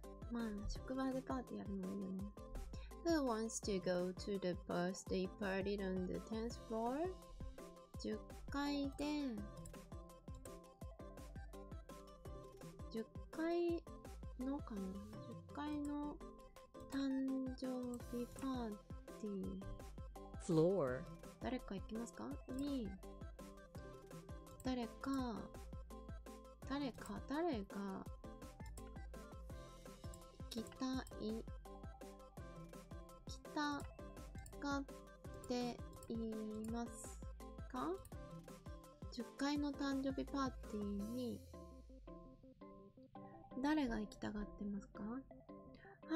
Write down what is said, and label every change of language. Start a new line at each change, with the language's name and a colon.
Japanese: まあ、職場でパーティーやるのもいいよね。
English: Who wants to go to the birthday party on the 10th floor?
Japanese: 10階で10階のかな ?10 階の誕生日パーティー。
English: Floor.
Japanese: 誰か行きますか？に、誰か、誰か、誰が行きたい、行きたがっていますか ?10 階の誕生日パーティーに、誰が行きたがってますか？